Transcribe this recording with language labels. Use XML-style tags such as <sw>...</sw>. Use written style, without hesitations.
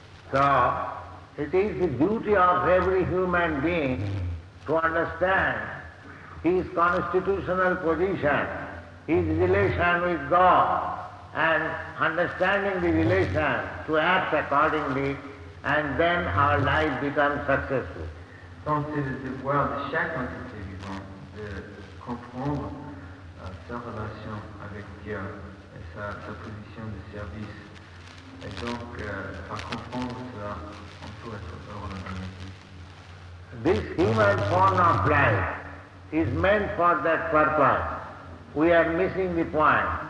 <en>So, it is the duty of every human being to understand his constitutional position, his relation with God, and understanding the relation to act accordingly, and then our life becomes successful.</en> <fr>Donc c'est le devoir de chaque entité vivante de comprendre sa relation avec Dieu et sa position de service. Et donc, par comprendre cela, on peut être heureux dans la vie.</fr> <en>This human form of life is meant for that purpose. We are missing the point.</en>